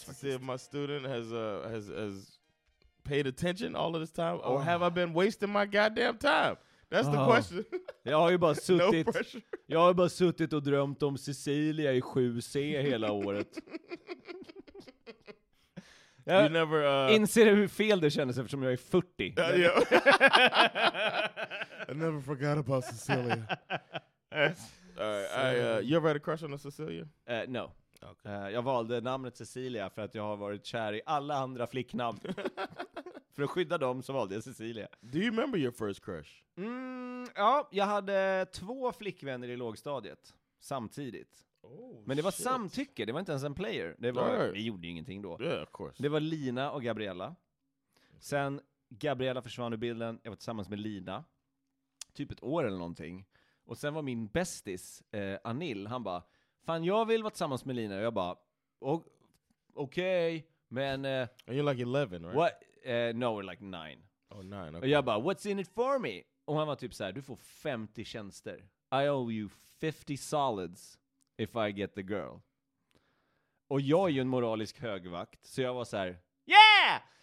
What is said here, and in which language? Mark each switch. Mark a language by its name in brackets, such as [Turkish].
[English] See if my student has paid attention all of this time, or have I been wasting my goddamn time? That's the question. [Swedish] Jag har ju bara suttit. Jag har bara suttit och drömt om Cecilia i 7C hela året. Jag [English] you never, [Swedish] inser hur fel det kändes eftersom jag är 40. [English] I never forgot about Cecilia. All right, you ever had a crush on a Cecilia? No. Okay. [Swedish] Jag valde namnet Cecilia för att jag har varit kär i alla andra flicknamn. För att skydda dem så valde jag Cecilia. [English] Do you remember your first crush? [Swedish] Ja, jag hade två flickvänner i lågstadiet samtidigt. [English] Oh, [Swedish] men det var [English] shit. [Swedish] Samtycke, det var inte ens en player. Det var, vi gjorde ju ingenting då. [English] Yeah, of course. [Swedish] Det var Lina och Gabriella. Sen Gabriella försvann ur bilden. Jag var tillsammans med Lina. Typ ett år eller någonting. Och sen var min bästis, Anil, han bara, fan jag vill vara tillsammans med Lina. Och jag bara, okej, men... [English] And you're like 11, right? What? No, we're like 9. Oh, 9, okej. [Swedish] Och jag bara, [English] what's in it for me? [Swedish] Och han var typ så här, du får 50 tjänster. [English] I owe you 50 solids if I get the girl. [Swedish] Och jag är ju en moralisk högvakt, så jag var så här, yeah!